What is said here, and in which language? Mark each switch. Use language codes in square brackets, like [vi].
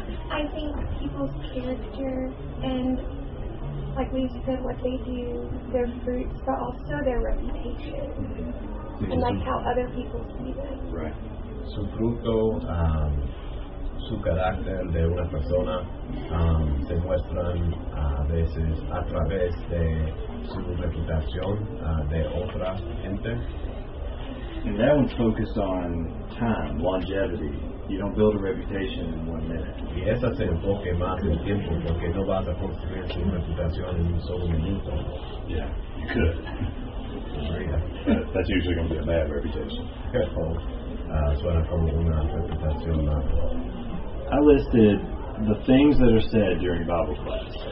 [en] I think people's character and, like we said, what they do, their fruits, but also their reputation. Mm-hmm. And like how other people see them. Right. [es] Su fruto, su carácter de una persona se muestran a veces a través de su reputación de otra gente. [en] And that one's focused on time, longevity. You don't build a reputation in 1 minute. [es] Y esa se enfoque más en tiempo, porque no vas a construir su reputación en un solo minuto. [en] Yeah, you could. That's usually going to be a bad reputation. Careful. [es] Suena como una reputación más. [en] I listed the things that are said during Bible class.